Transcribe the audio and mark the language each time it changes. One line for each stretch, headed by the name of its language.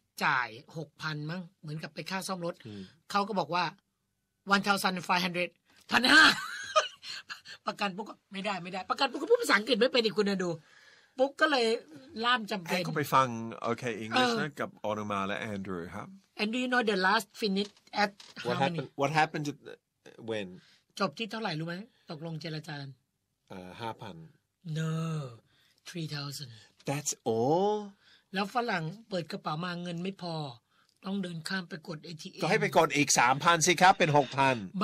Thai: จ่าย 6,000 มั้งเหมือนกับไปค่าซ่อมรถเขาก็บอกว่า 1,500 1,500 ประกันปุ๊กไม่ได้ประกันปุ๊กพูดภาษาอังกฤษไม่เป็นอีกคุณน่ะดูปุ๊กก็เลยล่ามจำเป็น ก็ไปฟังโอเคอังกฤษนะกับออนุมาและแอนดรูครับ
English: And do you know the last finish at what happened what happened to the, when
Thai: จบที่เท่าไหร่รู้ไหมตกลงเจรจา
English: 5,000 no 3,000 that's all
Thai: แล้วฝรั่งเปิดกระเป๋ามาเงินไม่พอต้องเดินข้ามไปกด ATM ก็ให้ไปกดอีก 3,000 สิครับเป็น 6,000